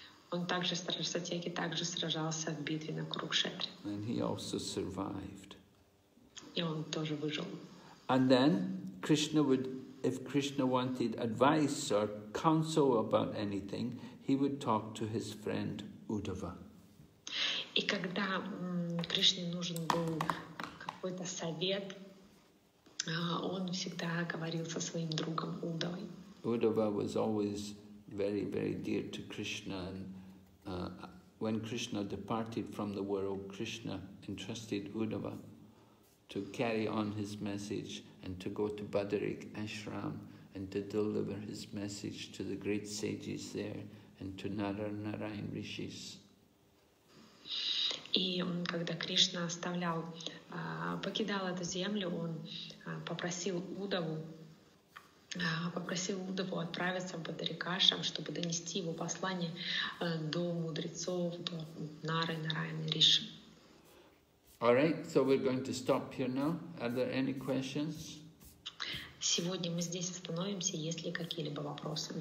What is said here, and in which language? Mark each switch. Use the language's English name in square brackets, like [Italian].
[Russian] Он также Сатьяки также сражался в битве на Курукшетре. [English] And he also survived. [Russian] И он тоже выжил. [English] And then Krishna would, if Krishna wanted advice or counsel about anything, he would talk to his friend Uddhava. [Russian] И когда Кришне нужен был какой-то совет, он всегда говорил со своим другом Удавой. [English] Удава was always very, very dear to Krishna. And when Krishna departed from the world, Krishna entrusted Udava to carry on his message and to go to Badarik Ashram and to deliver his message to the great sages there and to Narayan Rishis. [Russian] И когда Кришна оставлял, покидал эту землю, он попросил Удаву отправиться в Бадарикашам, чтобы донести его послание до мудрецов, до Нары, Нарайны, Риши. [English] All right, so we're going to stop here now. Are there any questions? [Russian] Сегодня мы здесь остановимся. Есть ли какие-либо вопросы?